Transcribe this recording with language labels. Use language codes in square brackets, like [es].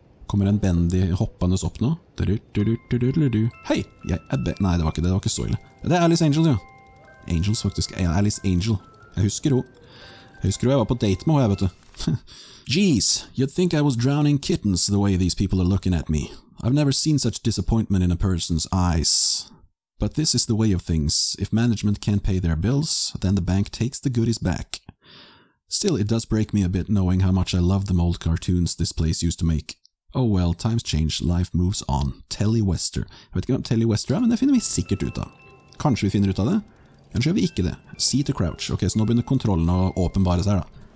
[no] Kommer en bendig hoppende opp nå? Hei! Jeg er bendig. Nei, det var ikke det. Det var ikke så ille. Det er Alice Angel, jo. Angels, faktisk. Ja, Alice Angel. Jeg husker hun. Jeg husker hun. Jeg var på date med henne, vet du. [en] Jeez, you'd think I was drowning kittens the way these people are looking at me. I've never seen such disappointment in a person's eyes. But this is the way of things. If management can't pay their bills, then the bank takes the goodies back. Still, it does break me a bit knowing how much I love the old cartoons this place used to make. Oh well, times change, life moves on. Telly Wester. [no] Jeg vet ikke om Telly Wester er, men det finner vi sikkert ut av. Kanskje vi finner ut av det? Kanskje gjør vi ikke det. [en] C to crouch. [no] Ok, så nå begynner kontrollen å åpenbare seg da.